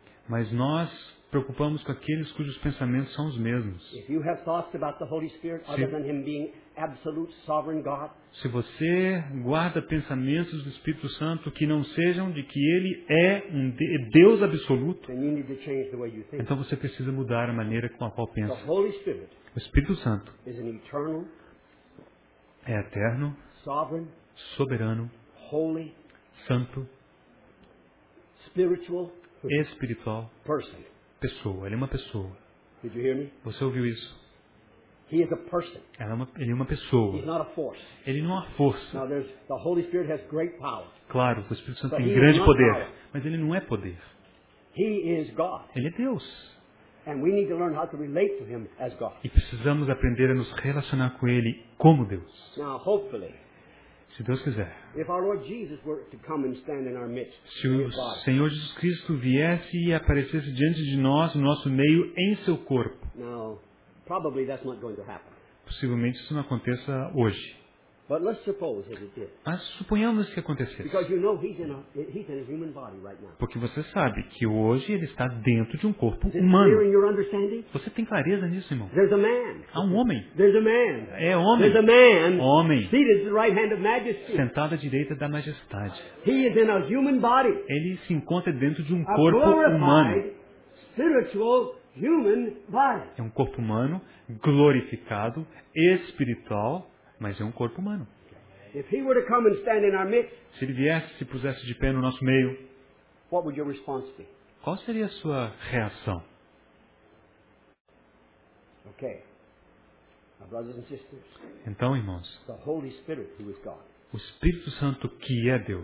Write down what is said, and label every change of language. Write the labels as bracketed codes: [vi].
[pt] Mas nós preocupamos com aqueles cujos pensamentos são os mesmos. [en] If you have thoughts about the Holy Spirit, other than him being absolute sovereign God, [pt] se você guarda pensamentos do Espírito Santo que não sejam de que ele é um Deus absoluto, [en] then you need to change the way you think. [pt] Então você precisa mudar a maneira com a qual pensa. [en] The Holy Spirit, [pt] o Espírito Santo, [en] is an eternal, [pt] é eterno, [en] sovereign, [pt] soberano, [en] holy, [pt] santo, [en] spiritual, [pt] espiritual, [en] person. [pt] Pessoa, ele é uma pessoa. [en] Did you hear me? [pt] Você ouviu isso? [en] He is a person. [pt] Ele é uma pessoa. [en] He's not a force. [pt] Ele não é uma força. [en] Now, the Holy Spirit has great power. [pt] Claro, o Espírito Santo tem grande poder, mas ele não é poder. [en] He is God. [pt] Ele é Deus. [en] And we need to learn how to relate to him as God. [pt] E precisamos aprender a nos relacionar com ele como Deus. [en] Now, hopefully, [pt] se Deus quiser. [en] If our Lord Jesus were to come and stand in our midst, [pt] se o Senhor Jesus Cristo viesse e aparecesse diante de nós, no nosso meio, em seu corpo. [en] Now, probably that's not going to happen. [pt] Possivelmente isso não aconteça hoje. [en] But let's suppose that it did. [pt] Mas suponhamos que acontecesse. [en] Because you know he's in a human body right now. [pt] Porque você sabe que hoje ele está dentro de um corpo humano. [en] Clear in your understanding? [pt] Você tem clareza nisso, irmão? [en] There's a man. [pt] Há um homem. [en] There's a man. [pt] É homem. [en] There's a man. [pt] Homem. [en] Seated at the right hand of majesty. [pt] Sentado à direita da majestade. [en] He is in a human body. [pt] Ele se encontra dentro de um corpo humano. [en] Spiritual human body. [pt] É um corpo humano glorificado, espiritual. Mas é um corpo humano. [en] If he were to come and stand in our midst, [pt] se ele viesse e se pusesse de pé no nosso meio, [en] what would your response be? [pt] Qual seria a sua reação? [en] Okay. My brothers and sisters, [pt] então, irmãos, [en] the Holy Spirit, who is God, [pt] o Espírito Santo, que é Deus,